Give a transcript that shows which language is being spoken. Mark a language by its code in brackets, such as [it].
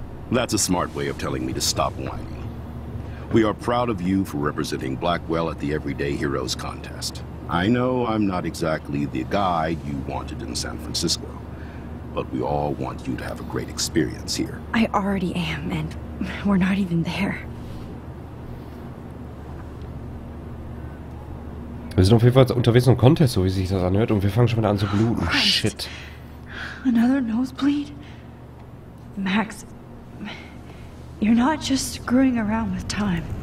[en] That's a smart way of telling me to stop whining. We are proud of you for representing Blackwell at the Everyday Heroes Contest. I know I'm not exactly the guy you wanted in San Francisco. But we all want you to have a great experience here. I already am, and we're not even there. [de] Wir sind auf jeden Fall unterwegs im Contest, so wie sich das anhört, und wir fangen schon wieder an zu bluten. [en] Christ. Shit. Another nosebleed? Max, you're not just screwing around with time.